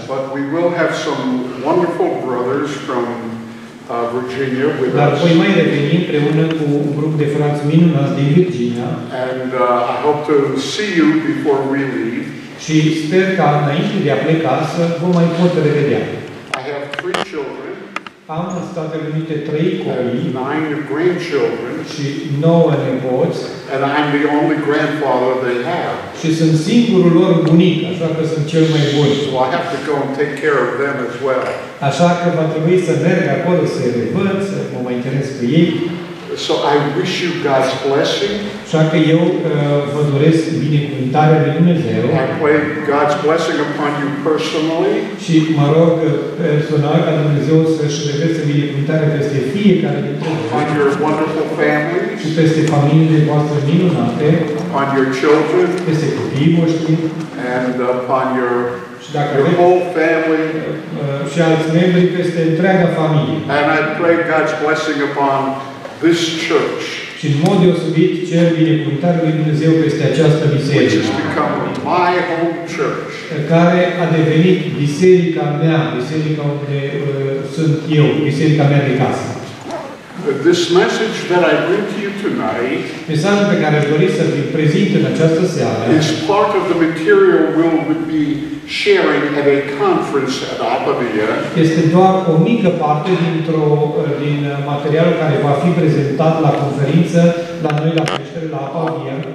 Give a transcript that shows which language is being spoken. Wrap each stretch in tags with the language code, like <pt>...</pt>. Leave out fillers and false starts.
<en>But we will have some wonderful brothers from Virginia with</en> <ro>dar voi mai reveni împreună cu un grup de frați minunați din Virginia.</ro> <en>And I hope to see you before we leave.</en> <ro>Și sper ca înainte de a pleca să vă mai pot revedea.</ro> <en>I have three children.</en> <ro>Am în Statele Unite trei copii.</ro> <en>Nine grandchildren.</en> <ro>Și nouă nepoți.</ro> <en>And I'm the only grandfather they have.</en> <ro>Și sunt singurul lor bunic, așa că sunt cel mai bun.</ro> <en>So I have to go and take care of them as well.</en> <ro>Așa că va trebui să merg acolo să îi văd, să mă mai interes cu ei.</ro> <en>So I wish you God's blessing.</en> <ro>Așa că eu vă doresc binecuvântarea lui Dumnezeu.</ro> <en>I pray God's blessing upon you personally.</en> <ro>Și mă rog personal ca Dumnezeu să-și reverse binecuvântarea peste fiecare dintre voi.</ro> <en>On your wonderful family.</en> <ro>Și peste familiile voastre minunate.</ro> <en>On your children.</en> <ro>Peste copiii voștri.</ro> <en>And upon your whole family.</en> <ro>Și alți membri peste întreaga familie.</ro> <en>And I pray God's blessing upon this church.</en> <ro>Și în mod deosebit cer binecuvântarea lui Dumnezeu peste această biserică.</ro> <en>Which has become my home church.</en> <ro>Care a devenit biserica mea, biserica unde sunt eu, biserica mea de casă.</ro> <en>This message that I bring to you tonight.</en> <ro>Mesajul pe care doresc să vi-l prezint în această seară.</ro> <en>Is part of the material we'll be sharing at a conference at Apamea.</en> <ro>Este doar o mică parte din materialul care va fi prezentat la conferință la noi la creștere la Apamea.</ro>